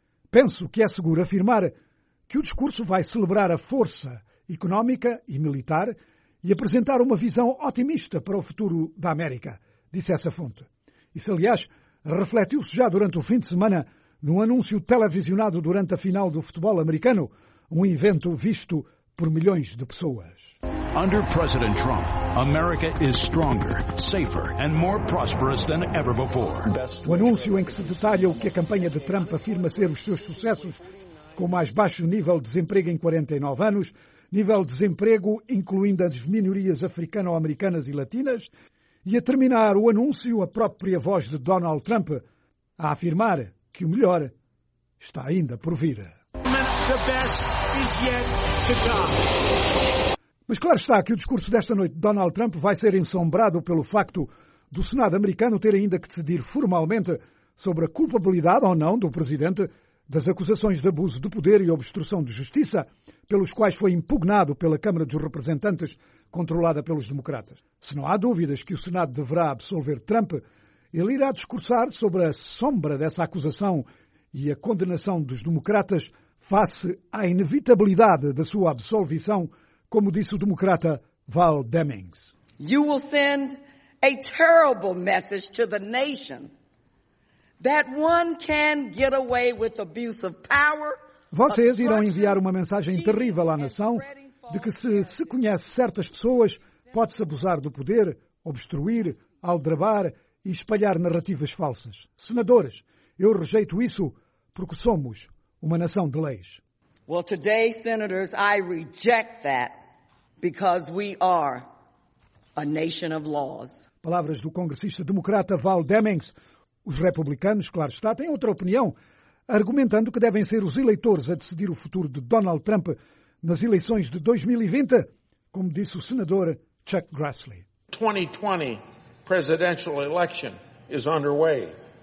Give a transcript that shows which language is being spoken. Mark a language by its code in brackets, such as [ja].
[pt] Penso que é seguro afirmar que o discurso vai celebrar a força económica e militar e apresentar uma visão otimista para o futuro da América, disse essa fonte. Isso, aliás, refletiu-se já durante o fim de semana no anúncio televisionado durante a final do futebol americano, um evento visto por milhões de pessoas. [en] Under President Trump, America is stronger, safer and more prosperous than ever before. [pt] O anúncio em que se detalha o que a campanha de Trump afirma ser os seus sucessos, com mais baixo nível de desemprego em 49 anos, nível de desemprego, incluindo as minorias africano-americanas e latinas, e a terminar o anúncio, a própria voz de Donald Trump a afirmar que o melhor está ainda por vir. Mas claro está que o discurso desta noite de Donald Trump vai ser ensombrado pelo facto do Senado americano ter ainda que decidir formalmente sobre a culpabilidade ou não do presidente das acusações de abuso de poder e obstrução de justiça, pelos quais foi impugnado pela Câmara dos Representantes, controlada pelos democratas. Se não há dúvidas que o Senado deverá absolver Trump, ele irá discursar sobre a sombra dessa acusação e a condenação dos democratas face à inevitabilidade da sua absolvição, como disse o democrata Val Demings. [en] You will send a terrible message to the nation that one can get away with abuse of power. [pt] Vocês irão enviar uma mensagem terrível à nação de que se conhece certas pessoas, pode-se abusar do poder, obstruir, aldrabar e espalhar narrativas falsas. Senadores, Eu rejeito isso porque somos uma nação de leis. [en] Well, today, senators, I reject that because we are a nation of laws. [pt] Palavras do congressista democrata Val Demings. Os republicanos, claro está, têm outra opinião, argumentando que devem ser os eleitores a decidir o futuro de Donald Trump nas eleições de 2020, como disse o senador Chuck Grassley. [en] 2020 presidential election is underway.